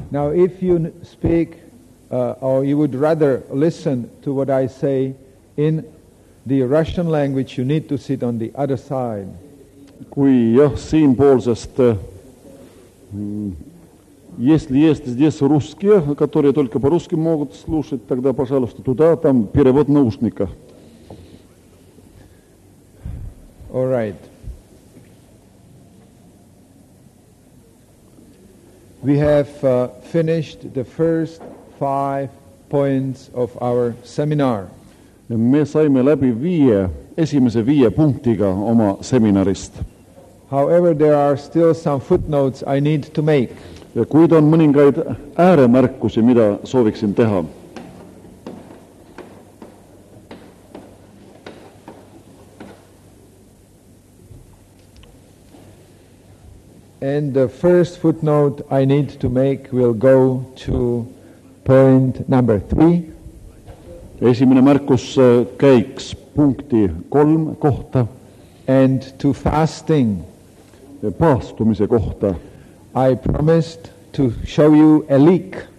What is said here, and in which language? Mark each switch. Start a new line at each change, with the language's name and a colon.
English: Now if you speak or you would rather listen to what I say in the Russian language, you need to sit on the other side.
Estonian: Kui jah, siin poolsest
Russian: если есть здесь русские, которые только по-русски могут слушать, тогда, пожалуйста, туда, там перевод наушника.
English: All right. We have finished the first 5 points of our seminar.
Estonian: Me saime läbi esimese viie punktiga oma seminarist.
English: However, there are still some footnotes I need to make.
Estonian: Ja kuid on mõningaid ääremärkusi, mida sooviksin teha.
English: And the first footnote I need to make will go to point number 3.
Estonian: Esimene märkus käiks punkti 3 kohta.
English: And to fasting.
Estonian: Paastumise kohta.
English: I promised to show you a leak.